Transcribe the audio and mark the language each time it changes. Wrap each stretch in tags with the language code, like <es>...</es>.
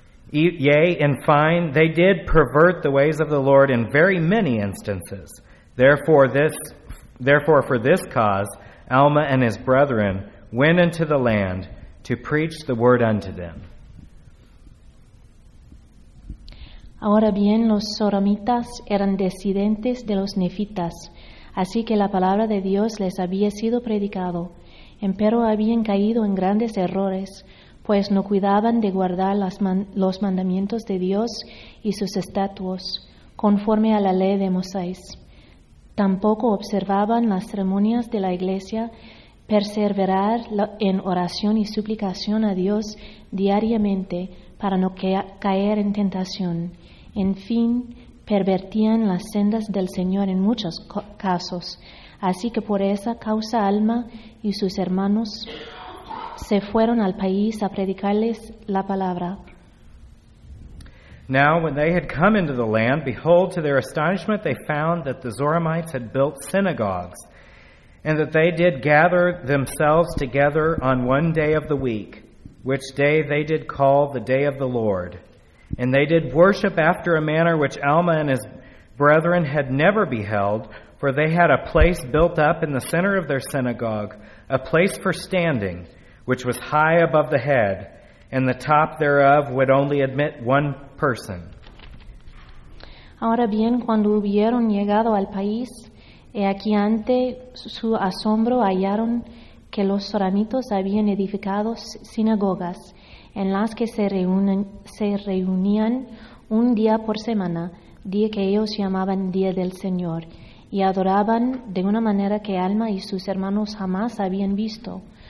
<en>Yea, in fine, they did pervert the ways of the Lord in very many instances. Therefore, for this cause, Alma and his brethren went into the land to preach the word unto them.</en> <es>Ahora bien, los Zoramitas eran descendientes de los Nefitas, así que la palabra de Dios les había sido predicado, empero habían caído en grandes errores, pues no cuidaban de guardar los mandamientos de Dios y sus estatutos, conforme a la ley de Moisés. Tampoco observaban las ceremonias de la iglesia, perseverar en oración y suplicación a Dios diariamente para no caer en tentación. En fin, pervertían las sendas del Señor en muchos casos. Así que por esa causa Alma y sus hermanos se fueron al país a predicarles la palabra.</es> <en>Now when they had come into the land, behold, to their astonishment they found that the Zoramites had built synagogues, and that they did gather themselves together on one day of the week, which day they did call the day of the Lord. And they did worship after a manner which Alma and his brethren had never beheld, for they had a place built up in the center of their synagogue, a place for standing, which was high above the head, and the top thereof would only admit one person.</en> <es>Ahora bien, cuando hubieron llegado al país, he aquí ante su asombro hallaron que los Zoramitas habían edificado sinagogas, en las que se reunían un día por semana, día que ellos llamaban Día del Señor, y adoraban de una manera que Alma y sus hermanos jamás habían visto,</es>